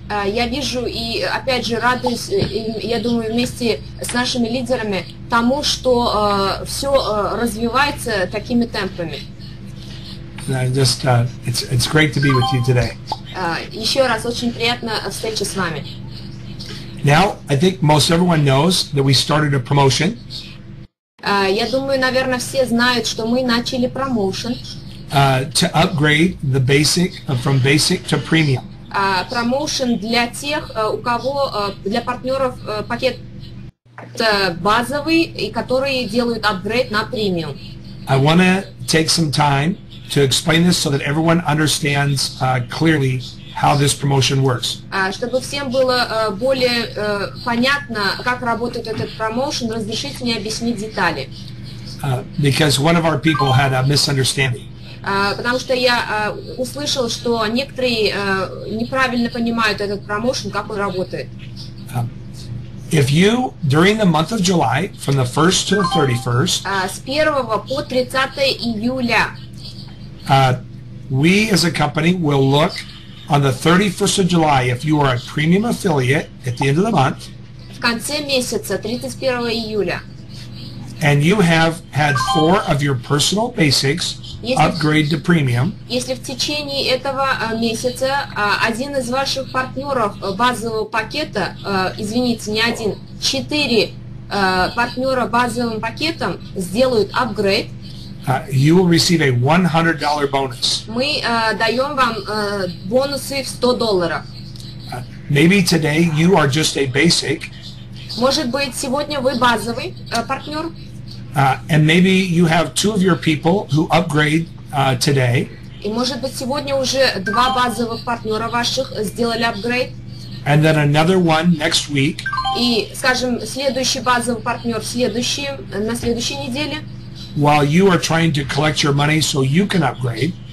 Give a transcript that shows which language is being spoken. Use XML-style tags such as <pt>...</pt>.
<ru>Я вижу и опять же радуюсь, я думаю, вместе с нашими лидерами тому, что все развивается такими темпами.</ru> <en>It's great to be with you today.</en> <ru>Еще раз очень приятно встреча с вами.</ru> <en>Now, I think most everyone knows that we started a promotion.</en> <ru>Я думаю, наверное, все знают, что мы начали промоушен.</ru> <en>To upgrade the basic from basic to premium.</en> <ru>Promotion для тех, у кого для партнеров пакет базовый и которые делают апгрейд на премиум.</ru> <en>I want to take some time to explain this so that everyone understands clearly how this promotion works.</en> <ru>Чтобы всем было более понятно, как работает этот промоушен, разрешите мне объяснить детали.</ru> <en>Because one of our people had a misunderstanding.</en> <ru>Потому что я услышал, что некоторые неправильно понимают этот промоушен, как он работает.</ru> <en>If you, during the month of July, from the 1st to the 31st,</en> <ru>с 1 по 30 июля,</ru> <en>we as a company will look on the 31st of July, if you are a premium affiliate at the end of the month,</en> <ru>в конце месяца, 31 июля,</ru> <en>and you have had four of your personal basics upgrade to premium.</en> <ru>Если в течение этого месяца один из ваших партнеров базового пакета, извините, не один, четыре партнера базовым пакетом сделают upgrade,</ru> <en>you will receive a $100 bonus.</en> <ru>Мы даем вам бонусы в $100.</ru> <en>Maybe today you are just a basic.</en> <ru>Может быть, сегодня вы базовый партнер.</ru> <en>And maybe you have two of your people who upgrade today.</en> <ru>И может быть сегодня уже два базовых партнера ваших сделали upgrade.</ru> <en>And then another one next week.</en> <ru>И, скажем, следующий базовый партнер на следующей неделе.</ru> <en>While you are trying to collect your money so you can upgrade.</en>